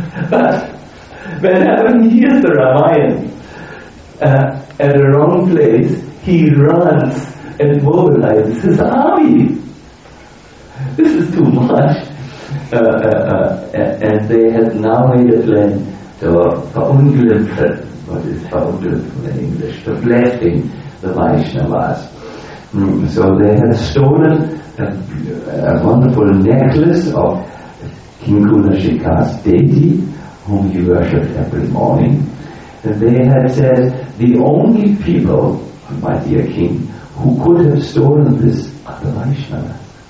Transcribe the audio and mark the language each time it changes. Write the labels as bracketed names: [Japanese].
[English] But whenever he hears the Ramayana at the wrong place, he runs and mobilizes his army. This is too much. And they had now made a plan [German] so verunglimpfe, was ist verunglimpfen in Englisch, [English] the blessing the Vaishnavas. So they had stolen a wonderful necklace of King Gunashikha's deity, whom he worshipped every morning. And they had said, the only people, my dear king, who could have stolen this are the Vaishnavas.